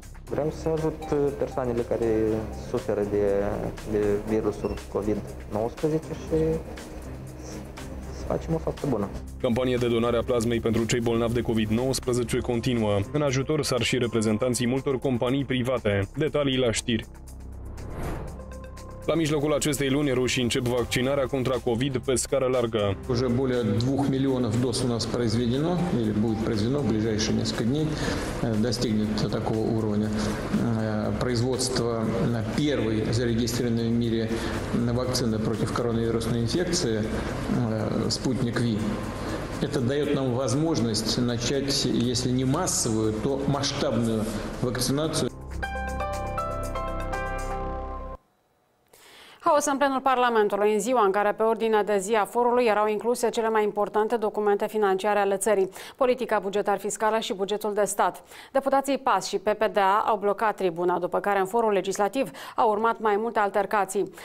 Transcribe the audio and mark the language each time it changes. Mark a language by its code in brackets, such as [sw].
[ro] Vreau să ajut persoanele care suferă de virusul COVID-19 și facem o faptă bună. Campania de donare a plasmei pentru cei bolnavi de COVID-19 continuă. În ajutor s-ar și reprezentanții multor companii private. Detalii la știri. La mijlocul acestei luni, rușii încep vaccinarea contra COVID pe scară largă. [ru] Уже более 2 миллионов доз у нас произведено или будет произведено в ближайшие несколько дней, достигнет такого уровня производства на первой зарегистрированной в мире вакцины против коронавирусной инфекции Sputnik V. Это даёт нам возможность начать, если не массовую, то масштабную вакцинацию. [ro] Haos în plenul Parlamentului, în ziua în care pe ordinea de zi a forului erau incluse cele mai importante documente financiare ale țării, politica bugetar-fiscală și bugetul de stat. Deputații PAS și PPDA au blocat tribuna, după care în forul legislativ au urmat mai multe altercații.